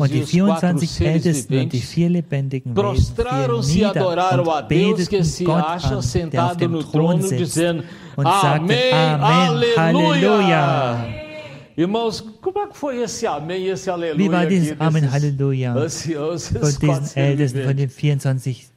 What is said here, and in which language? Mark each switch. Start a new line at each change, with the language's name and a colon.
German: und die 24 Ältesten und die vier lebendigen Wesen
Portuguese: adoraram a Deus que se acha sentado no trono, dizendo:
German: und sagten: Amen, Halleluja!
Portuguese: Irmãos, como é que foi esse amém, esse aleluia aqui desses Amen, Halleluja, anciãos,
German: von diesen Ältesten, von den 24